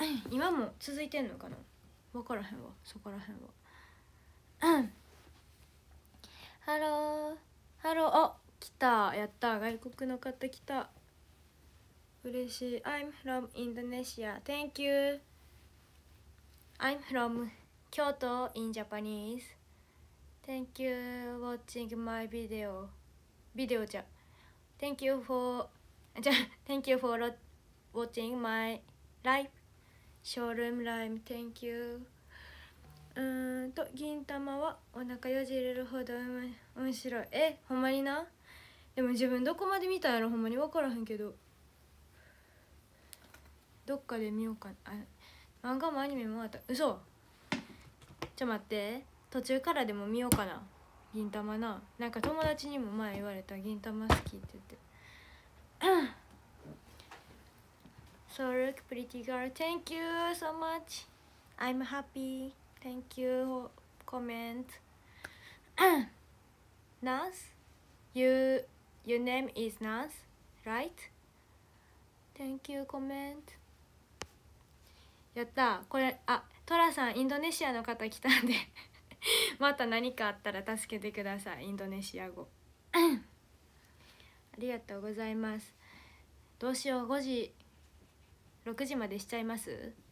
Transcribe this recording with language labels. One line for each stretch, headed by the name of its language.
Japanese: 今も続いてんのかな、わからへんわ、そこらへんは。ハロー、ハロー、あ、来た、やった、外国の方来た、嬉しい。
English: I'm from Indonesia. Thank you. I'm from 京都 in Japanese. Thank you watching my video. Video じゃ。 Thank you for じゃ、Thank you for watching my live showroom live. Thank you.
Japanese: と、銀魂はお腹よじれるほど面白い。え、ほんまにな。でも自分どこまで見たんやろ、ほんまに分からへんけど。どっかで見ようかな。あ、漫画もアニメもあった。嘘。ちょっと待って。途中からでも見ようかな。銀魂な。なんか友達にも前言われた、銀魂好きって言って。
English: So look pretty girl. Thank you so much. I'm happy. Thank you for comment. Nas, your name is Nas, right? Thank you comment.
Japanese: やった、これ、あ、トラさん、インドネシアの方来たんで。また何かあったら助けてください、インドネシア語。ありがとうございます。どうしよう、5時6時までしちゃいます。